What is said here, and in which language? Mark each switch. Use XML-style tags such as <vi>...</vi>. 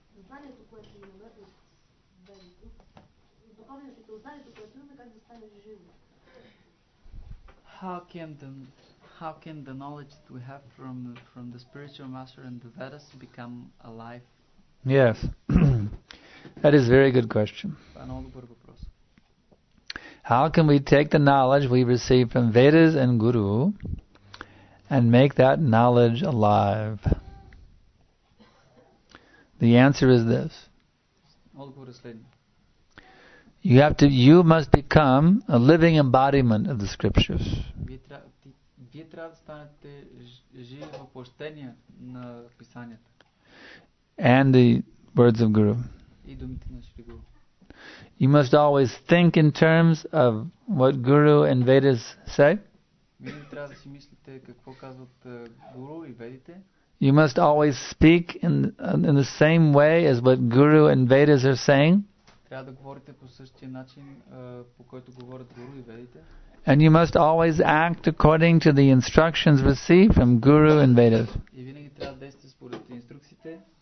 <bg>Знанието, което имаме от Бенито, духовният учител, знанието, което имаме, как да стане живо?</bg> <en>How can the knowledge that we have from the spiritual master and the Vedas become alive? Yes, that is a very good question. How can we take the knowledge we receive from Vedas and Guru and make that knowledge alive? The answer is this. You must become a living embodiment of the scriptures.</en> <bg>Вие трябва да станете живи въплъщения на писанията.</bg> <en>And the words of Guru.</en> <bg>И думите на Шри Гуру.</bg> <en>You must always think in terms of what Guru and Vedas say.</en> <bg>Вие трябва да си мислите какво казват Гуру и Ведите.</bg> <en>You must always speak in the same way as what Guru and Vedas are saying.</en> <bg>Трябва да говорите по същия начин по който говорят Гуру и Ведите.</bg> <en>And you must always act according to the instructions received from Guru and Vedas.</en> <bg>И винаги трябва да действате според инструкциите,</bg>